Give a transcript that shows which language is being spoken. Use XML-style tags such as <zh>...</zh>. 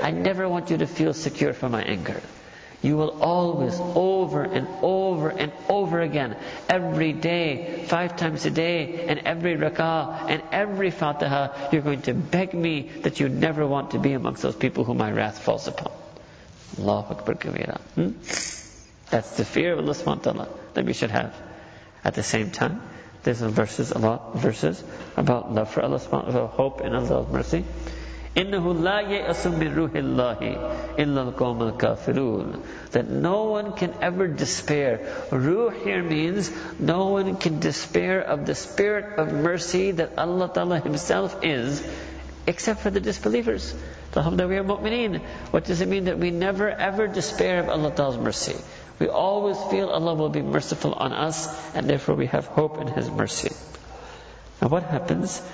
<en>I never want you to feel secure from my anger. You will always, over and over and over again, every day, five times a day, and every rak'ah, and every fatiha, you are going to beg me that you never want to be amongst those people whom my wrath falls upon. Allahu Akbar Kabira. That's the fear of Allah subhanahu wa ta'ala that we should have. At the same time, there's verses about love for Allah subhanahu wa ta'ala, hope in Allah's mercy.</en> <ar>إِنَّهُ لَا يَأْسُ مِنْ رُوحِ اللَّهِ إِلَّا الْقَوْمَ الْكَافِرُونَ</ar> <en>That no one can ever despair. Ruh here means no one can despair of the spirit of mercy that Allah ta'ala Himself is, except for the disbelievers. Alhamdulillah, we are mu'mineen. What does it mean that we never ever despair of Allah Ta'ala's mercy? We always feel Allah will be merciful on us and therefore we have hope in His mercy. Now what happens?</en>